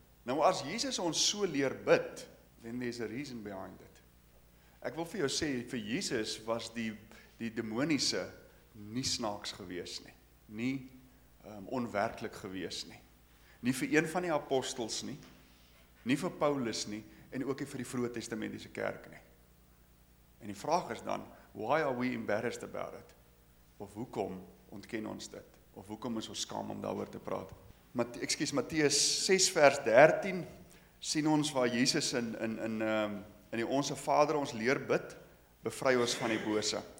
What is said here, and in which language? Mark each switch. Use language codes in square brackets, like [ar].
[af] Nou as Jesus ons so leer bid, [en] then there's a reason behind it. [af] Ek wil vir jou sê vir Jesus was die demoniese nie snaaks gewees nie. Nie onwerklik gewees nie. Nie vir een van die apostels nie. Nie vir Paulus nie en ook nie vir die Vroeë Testamentiese kerk nie. En die vraag is dan, [en] why are we embarrassed about it? [af] Of hoekom ontken ons dit? Of hoekom is ons skaam om daaroor te praat? Matteus 6 vers 13 sien ons waar Jesus in die Onse Vader ons leer bid, bevry ons van die bose.